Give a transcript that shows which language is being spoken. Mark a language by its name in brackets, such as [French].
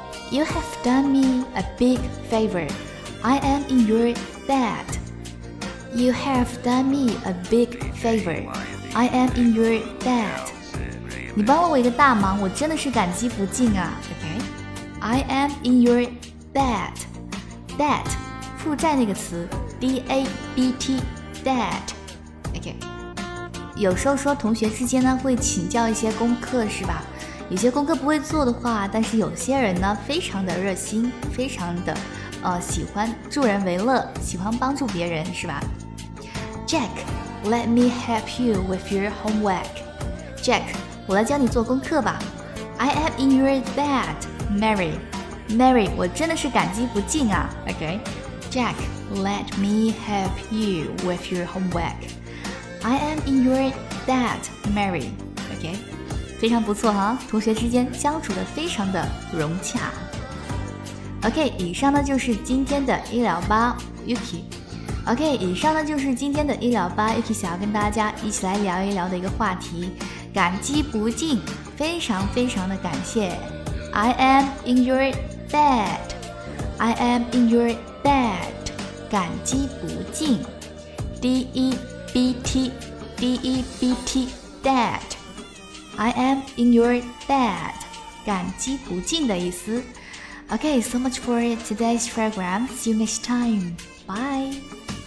[English] You have done me a big favor， I am in your bedYou have done me a big favor. I am in your debt. [Chinese] 你帮了我一个大忙，我真的是感激不尽啊。 [English] Okay, I am in your debt. Debt, [Chinese] 负债那个词 [English] ，D-A-B-T, debt. Okay. [Chinese] 有时候说同学之间呢会请教一些功课是吧？有些功课不会做的话，但是有些人呢非常的热心，非常的喜欢助人为乐，喜欢帮助别人是吧？ [English] Jack, let me help you with your homework. [Chinese] Jack, 我来教你做功课吧。 [English] I am in your debt, Mary. [Chinese] Mary, 我真的是感激不尽啊。Okay. [English] Jack, let me help you with your homework. I am in your debt, Mary. Okay. [Chinese] 非常不错哈，同学之间相处得非常的融洽。 Okay, 以上呢就是今天的医疗吧 Yuki。 OK， 以上呢就是今天的医疗吧 Yuki 想要跟大家一起来聊一聊的一个话题，感激不尽，非常非常的感谢。 [English] I am in your debt， I am in your debt， [Chinese] 感激不尽， [English] D-E-B-T D-E-B-T debt， I am in your debt， [Chinese] 感激不尽的意思。 [English] OK, so much for today's program. See you next time. Bye.